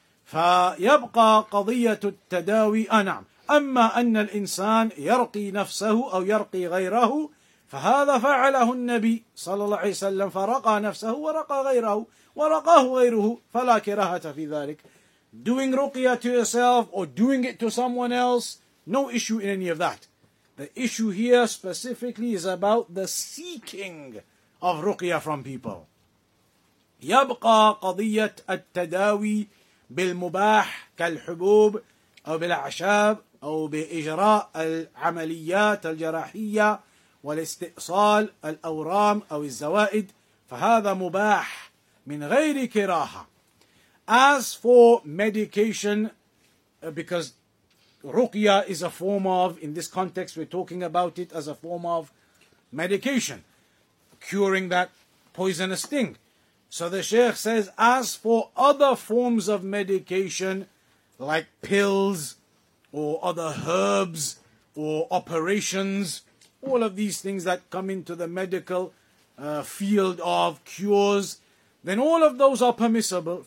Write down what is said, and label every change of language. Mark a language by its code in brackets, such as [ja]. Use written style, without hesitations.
[ar] فَيَبْقَى قَضِيَّةُ التَّدَاوِي أَنَعْمُ أَمَّا أَنَّ الْإِنسَانِ يَرْقِي نَفْسَهُ أَوْ يَرْقِي غَيْرَهُ فَهَذَا فَعَلَهُ النَّبِيُّ صلى الله عليه وسلم فَرَقَى نَفْسَهُ وَرَقَى غَيْرَهُ وَرَقَاهُ غَيْرُهُ فَلَا كِرَهَةَ فِي ذَلِكَ. [en] Doing ruqya to yourself or doing it to someone else, no issue in any of that. The issue here specifically is about the seeking of ruqya from people. [ar] يَبْقَى قَضِيَّةَ التَّدَاوِي بِالْمُبَاحِ كَالْحُبُوبِ أو بالأعشاب أو بإجراء العمليات الجراحية والاستئصال الأورام أو الزوائد فهذا مباح من غير كراهة. [en] As for medication, because ruqya is a form of, in this context we're talking about it as a form of medication, curing that poisonous sting. So the Sheikh says, as for other forms of medication, like pills or other herbs or operations, all of these things that come into the medical field of cures, then all of those are permissible.